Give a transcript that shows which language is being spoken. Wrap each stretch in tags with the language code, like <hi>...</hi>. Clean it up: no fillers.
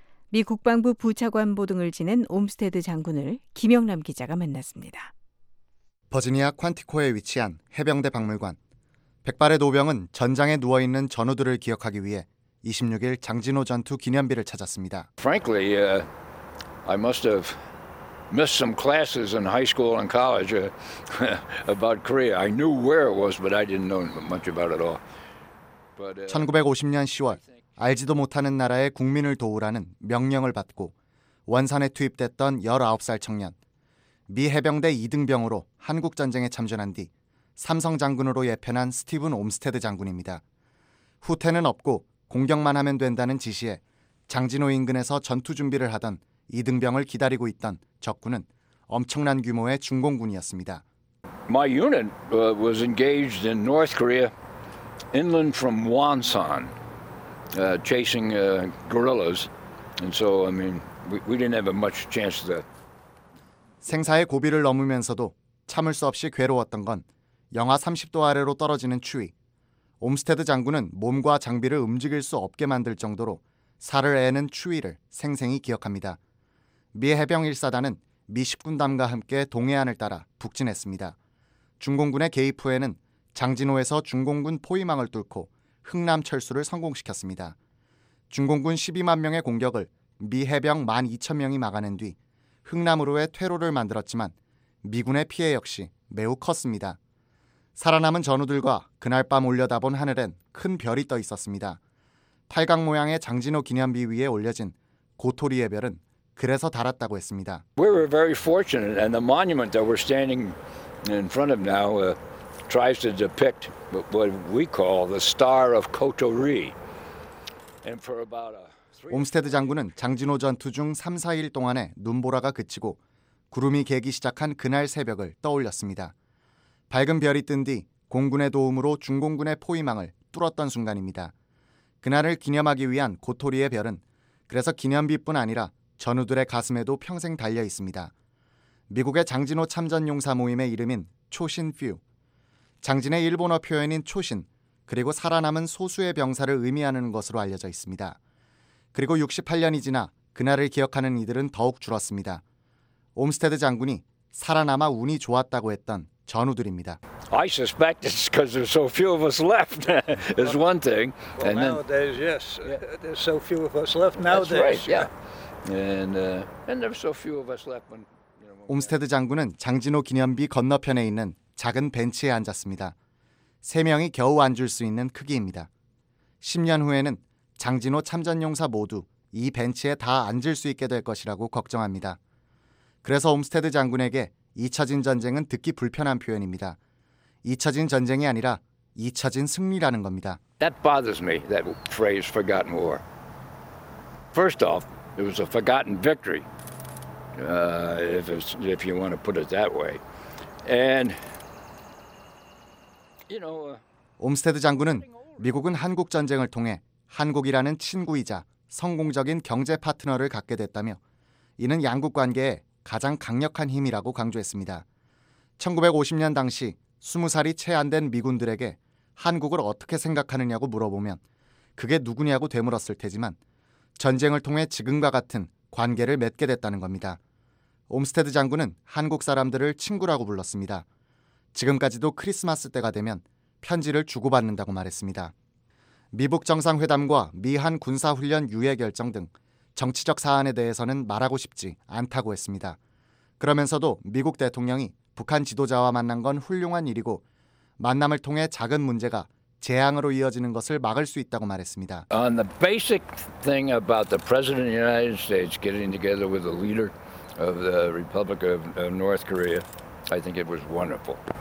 <ko>미 국방부 부차관 보등을 지낸 옴스테드 장군을 김영남 기자가 만났습니다. 버지니아 퀀티코에 위치한 해병대 박물관. 백발의 노병은 전장에 누워있는 전우들을 기억하기 위해 26일 장진호 전투 기념비를 찾았습니다.</ko> <en>Frankly, I must have missed some classes in high school and college about Korea. I knew where it was, but I didn't know much about it all.</en> <ko>1950년 10월, 알지도 못하는 나라의 국민을 도우라는 명령을 받고 원산에 투입됐던 19살 청년. 미 해병대 2등병으로 한국전쟁에 참전한 뒤 삼성 장군으로 예편한 스티븐 옴스테드 장군입니다. 후퇴는 없고 공격만 하면 된다는 지시에 장진호 인근에서 전투 준비를 하던 2등병을 기다리고 있던 적군은 엄청난 규모의 중공군이었습니다.</ko> <en>My unit was engaged in North Korea, inland from Wonsan, chasing guerrillas. And so, I mean, we didn't have much chance to.</en> <ko>생사의 고비를 넘으면서도 참을 수 없이 괴로웠던 건 영하 30도 아래로 떨어지는 추위. 옴스테드 장군은 몸과 장비를 움직일 수 없게 만들 정도로 살을 애는 추위를 생생히 기억합니다. 미 해병 1사단은 미 10군단과 함께 동해안을 따라 북진했습니다. 중공군의 개입 후에는 장진호에서 중공군 포위망을 뚫고 흑남 철수를 성공시켰습니다. 중공군 12만 명의 공격을 미 해병 1만 2천 명이 막아낸 뒤 흑남으로의 퇴로를 만들었지만 미군의 피해 역시 매우 컸습니다. 살아남은 전우들과 그날 밤 올려다본 하늘엔 큰 별이 떠 있었습니다. 팔각 모양의 장진호 기념비 위에 올려진 고토리의 별은 그래서 달았다고 했습니다.</ko> <en>We were very fortunate, and the monument that we're standing in front of now tries to depict what we call the Star of Cauterets. And for about a</en> <ko>옴스테드 장군은 장진호 전투 중 3, 4일 동안에 눈보라가 그치고 구름이 개기 시작한 그날 새벽을 떠올렸습니다. 밝은 별이 뜬 뒤 공군의 도움으로 중공군의 포위망을 뚫었던 순간입니다. 그날을 기념하기 위한 코토리의 별은 그래서 기념비뿐 아니라 전우들의 가슴에도 평생 달려 있습니다. 미국의 장진호 참전용사 모임의 이름인 초신퓨. 장진의 일본어 표현인 초신, 그리고 살아남은 소수의 병사를 의미하는 것으로 알려져 있습니다. 그리고 68년이 지나 그날을 기억하는 이들은 더욱 줄었습니다. 옴스테드 장군이 살아남아 운이 좋았다고 했던 전우들입니다.</ko> <en>I suspect it's because there's so few of us left is one thing. Well, nowadays, yes, there's so few of us left nowadays. That's right, yeah. And there's so few of us left when.</en> <ko>옴스테드 장군은 장진호 기념비 건너편에 있는 작은 벤치에 앉았습니다. 세 명이 겨우 앉을 수 있는 크기입니다. 10년 후에는 장진호 참전용사 모두 이 벤치에 다 앉을 수 있게 될 것이라고 걱정합니다. 그래서 옴스테드 장군에게 잊혀진 전쟁은 듣기 불편한 표현입니다. 잊혀진 전쟁이 아니라 잊혀진 승리라는 겁니다.</ko> <en>That bothers me, that phrase, forgotten war. First off, it was a forgotten victory, if you want to put it that way. And, you know,</en> <ko>옴스테드 장군은 미국은 한국 전쟁을 통해 한국이라는 친구이자 성공적인 경제 파트너를 갖게 됐다며 이는 양국 관계에 가장 강력한 힘이라고 강조했습니다. 1950년 당시 20살이 채 안 된 미군들에게 한국을 어떻게 생각하느냐고 물어보면 그게 누구냐고 되물었을 테지만 전쟁을 통해 지금과 같은 관계를 맺게 됐다는 겁니다. 옴스테드 장군은 한국 사람들을 친구라고 불렀습니다. 지금까지도 크리스마스 때가 되면 편지를 주고받는다고 말했습니다. 미북 정상회담과 미한 군사훈련 유예 결정 등 정치적 사안에 대해서는 말하고 싶지 않다고 했습니다. 그러면서도 미국 대통령이 북한 지도자와 만난 건 훌륭한 일이고 만남을 통해 작은 문제가 재앙으로 이어지는 것을 막을 수 있다고 말했습니다.</ko> <en>On the basic thing about the President of the United States getting together with the leader of the Republic of North Korea, I think it was wonderful.</en>